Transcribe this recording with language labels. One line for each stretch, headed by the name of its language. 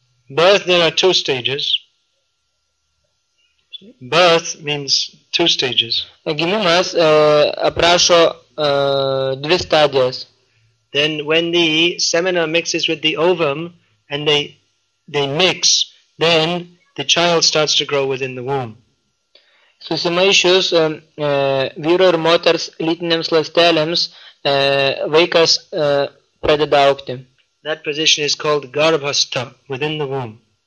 English: Birth, there are two stages. Birth means two stages.
Lithuanian: Gimimas aprašo dvi stadijas.
English: Then when the semen mixes with the ovum and they mix, then the child starts to grow within the womb.
Lithuanian: Susimaišius vyro ir moters lytinėms ląstelėms vaikas pradeda augti.
English: That position is called garbhastha, within the womb.